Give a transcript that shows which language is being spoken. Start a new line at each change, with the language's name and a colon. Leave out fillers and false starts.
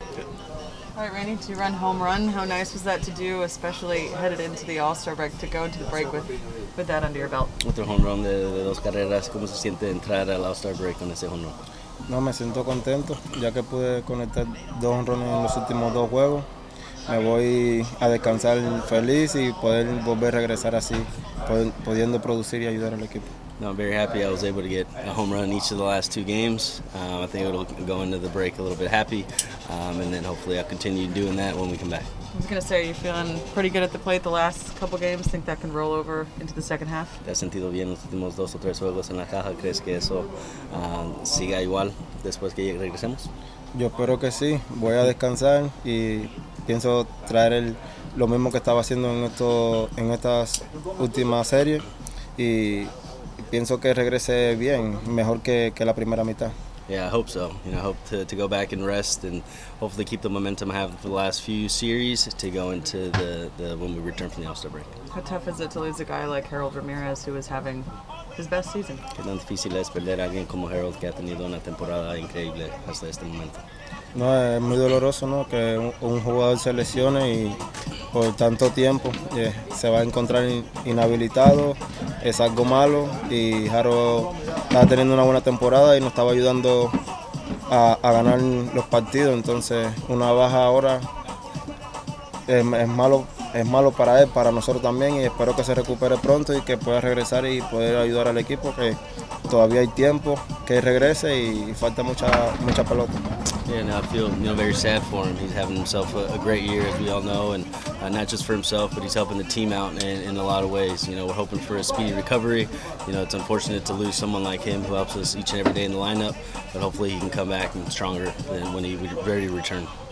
English: All right, Randy, to run home run, how nice was that to do, especially headed into the All-Star break, to go into the break with that under your belt?
Spanish: Otro home run de dos carreras. ¿Cómo se siente entrar al All-Star break con ese home run? No, me siento contento, ya que pude conectar dos home runs en los últimos dos juegos. Me voy a descansar feliz y poder volver a regresar así, pudiendo producir y ayudar al equipo.
English: No, I'm very happy I was able to get a home run each of the last two games. I think it'll go into the break a little bit happy, and then hopefully I'll continue doing that when we come back. I was going to say, are you feeling pretty good at the plate the last couple games? Think that can roll over into the second half?
Spanish: He sentido bien los últimos dos o tres juegos en la caja. ¿Crees que eso siga igual después que regresemos? Yo espero que sí. Voy a descansar y pienso traer lo mismo que estaba haciendo en estas últimas series y pienso que regrese bien, mejor que la primera mitad.
English: Yeah, I hope so. You know, I hope to go back and rest and hopefully keep the momentum I have for the last few series to go into the when we return from the All-Star break. How tough is it to lose a guy like Harold Ramirez who was having his best season?
Spanish: Qué tan difícil es perder a alguien como Harold que ha tenido una temporada increíble hasta este momento. No, es muy doloroso, ¿no? Que un jugador se lesione y por tanto tiempo se va a encontrar inhabilitado. Es algo malo y Jaro estaba teniendo una buena temporada y nos estaba ayudando a ganar los partidos. Entonces, una baja ahora es malo para él, para nosotros también. Y espero que se recupere pronto y que pueda regresar y poder ayudar al equipo, que todavía hay tiempo que regrese y falta mucha pelota.
English: Yeah, no, I feel, you know, very sad for him. He's having himself a great year, as we all know, and not just for himself, but he's helping the team out in a lot of ways. You know, we're hoping for a speedy recovery. You know, it's unfortunate to lose someone like him who helps us each and every day in the lineup, but hopefully he can come back and stronger than when he was ready to return.